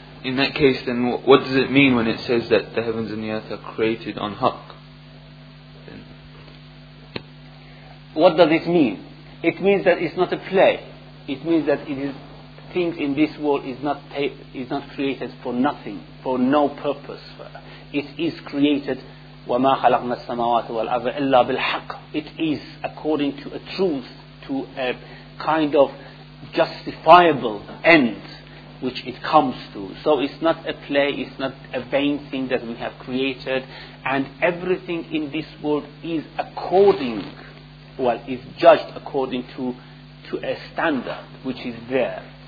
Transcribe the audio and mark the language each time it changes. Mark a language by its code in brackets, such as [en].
[en] In that case, then what does it mean when it says that the heavens and the earth are created on haqq? What does it mean? It means that it's not a play. It means that it is things in this world is not created for nothing, for no purpose. It is created, [ar] وَمَا خَلَقْنَا السَّمَاوَاتِ وَالْأَرْضَ إِلَّا بِالْحَقِّ. [en] It is according to a truth, to a kind of justifiable end which it comes to. So it's not a play, it's not a vain thing that we have created, and everything in this world is according, well, is judged according to a standard which is there.